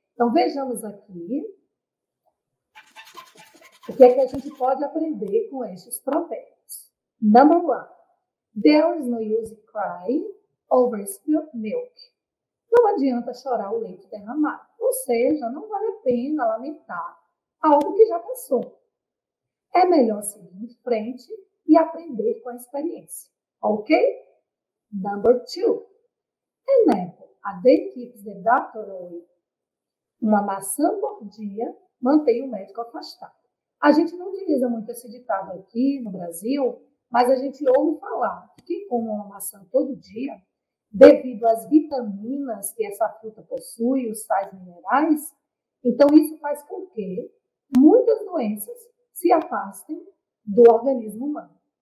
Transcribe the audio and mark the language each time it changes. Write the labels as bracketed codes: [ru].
[pt] Então, vejamos aqui o que é que a gente pode aprender com esses provérbios. [en] Number 1. There is no use to cry over spilled milk. [pt] Não adianta chorar o leite derramado. Ou seja, não vale a pena lamentar algo que já passou. É melhor seguir em frente e aprender com a experiência. [en] Ok? Number 2. An apple a day keeps the doctor away. [pt] Uma maçã por dia mantém o médico afastado. A gente não utiliza muito esse ditado aqui no Brasil. Mas a gente ouve falar que come uma maçã todo dia, devido às vitaminas que essa fruta possui, os sais minerais, então isso faz com que muitas doenças se afastem do organismo humano.